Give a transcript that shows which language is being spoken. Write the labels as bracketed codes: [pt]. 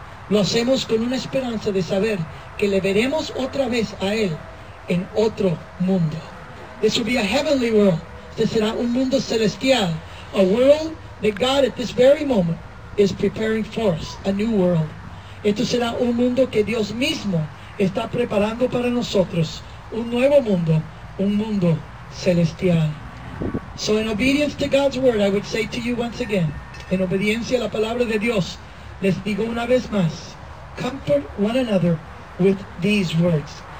[es] Lo hacemos con una esperanza de saber que le veremos otra vez a Él en otro mundo. [en] This will be a heavenly world. [es] Este será un mundo celestial. [en] A world that God at this very moment is preparing for us. A new world. [es] Esto será un mundo que Dios mismo está preparando para nosotros. Un nuevo mundo. Un mundo celestial. [en] So in obedience to God's word, I would say to you once again, [es] en obediencia a la palabra de Dios, les digo una vez más, [en] comfort one another with these words.